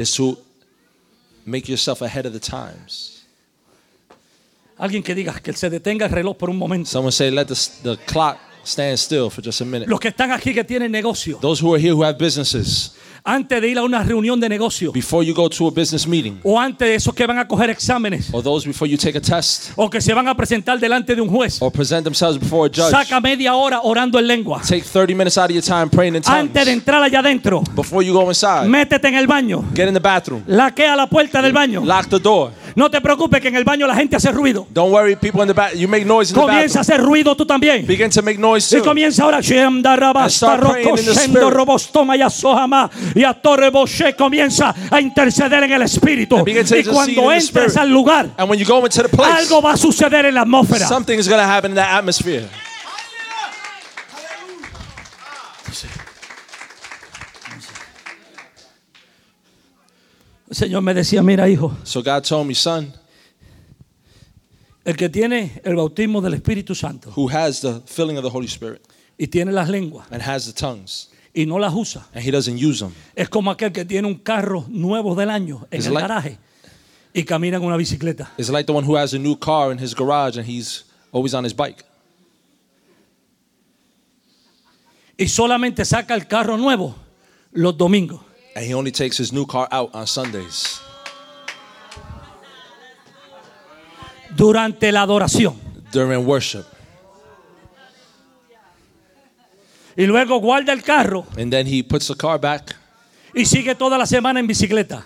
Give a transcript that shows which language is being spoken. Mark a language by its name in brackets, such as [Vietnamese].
[English] It's to make yourself ahead of the times. [Spanish] Alguien que diga que se detenga el reloj por un momento. [English] Someone say let the clock stand still for just a minute. [Spanish] Los que están aquí que tienen negocio. [English] Those who are here who have businesses. [Spanish] Antes de ir a una reunión de negocio. [English] Before you go to a business meeting. [Spanish] O antes de esos que van a coger exámenes. [English] Or those before you take a test. [Spanish] O que se van a presentar delante de un juez. [English] Or present themselves before a judge. [Spanish] Saca media hora orando en lengua. [English] Take 30 minutes out of your time praying in tongues. [Spanish] Antes de entrar allá adentro. [English] Before you go inside. [Spanish] Métete en el baño. [English] Get in the bathroom. [Spanish] Laquea la puerta del baño. [English] Lock the door. [Spanish] No te preocupes que en el baño la gente hace ruido. [English] Don't worry, people in the back, you make noise in the back. [Spanish] Comienza a hacer ruido tú también. [English] Begin to make noise too. [Spanish] Y comienza ahora. [English] And start praying in the spirit. [Spanish] Comienza a interceder en el espíritu. Y cuando entres al lugar, [English] and when you go into the place, [Spanish] algo va a suceder en la atmósfera. [English] Something is going to happen in that atmosphere. [Spanish] Señor me decía, mira, hijo. [English] So God told me, son. [Spanish] El que tiene el bautismo del Espíritu Santo. [English] Who has the filling of the Holy Spirit. [Spanish] Y tiene las lenguas. [English] And has the tongues. [Spanish] Y no las usa. [English] And he doesn't use them. [Spanish] Es como aquel que tiene un carro nuevo del año en el garaje y camina con una bicicleta. [English] It's like the one who has a new car in his garage and he's always on his bike. [Spanish] Y solamente saca el carro nuevo los domingos. [English] And he only takes his new car out on Sundays. [Spanish] Durante la adoración. [English] During worship. [Spanish] Y luego guarda el carro. [English] And then he puts the car back. [Spanish] Y sigue toda la semana en bicicleta.